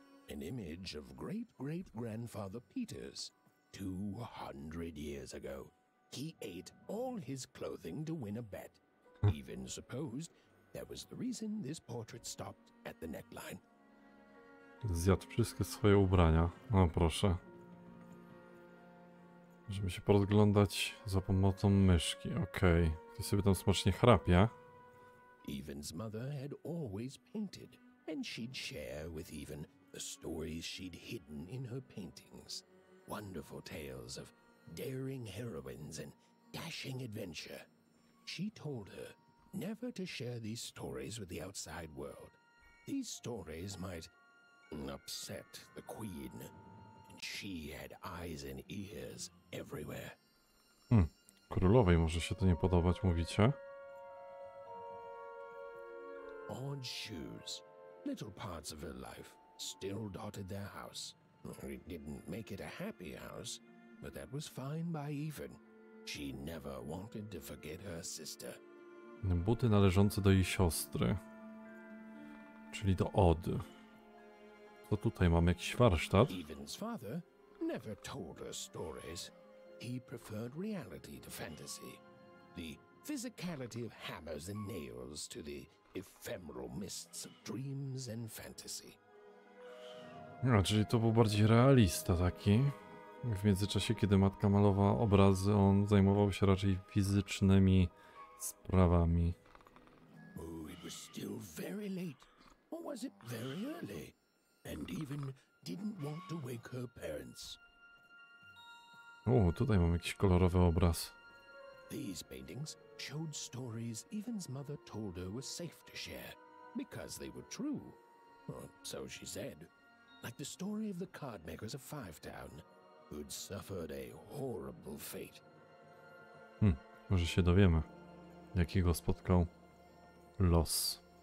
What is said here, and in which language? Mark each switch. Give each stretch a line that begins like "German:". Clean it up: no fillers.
English: An image of great-great-grandfather Peters, 200 years ago. He ate all his clothing to win a bet. Even supposed that was the reason this portrait stopped at the neckline.
Polish: Zjadł wszystkie swoje ubrania. No proszę. Żeby się porozglądać za pomocą myszki. Okej. Okay. Ty sobie tam smacznie chrapie.
English: Even's mother had always painted, and she'd share with Even the stories she'd hidden in her paintings. Wonderful tales of daring heroines and dashing adventure. She told her never to share these stories with the outside world. These stories might upset the queen. And she had eyes and ears everywhere.
Polish: Królowej może się to nie podobać, mówicie?
English: Odd shoes, little parts of her life. Still dotted their house. It didn't make it a happy house, but that was fine by Even. She never wanted to forget her sister.
Polish: Buty należące do jej siostry. Czyli do Odd. Co tutaj mamy? Jakiś warsztat?
English: Even's father never told her stories. He preferred reality to fantasy. The physicality of hammers and nails to the ephemeral mists of dreams and fantasy.
Polish: No, czyli to był bardziej realista taki. w międzyczasie, kiedy matka malowała obrazy, on zajmował się raczej fizycznymi sprawami.
English: Oh, it was still very late. Or was it very early? And even didn't want to wake her parents.
Polish: O, tutaj mam jakiś kolorowy obraz.
English: These paintings showed stories Even's mother told her were safe to share, because they were true. Well, so she said. Like the story of the card makers of Five Town, who'd suffered a horrible fate.
Polish: Hmm, może się dowiemy, jakiego spotkał los.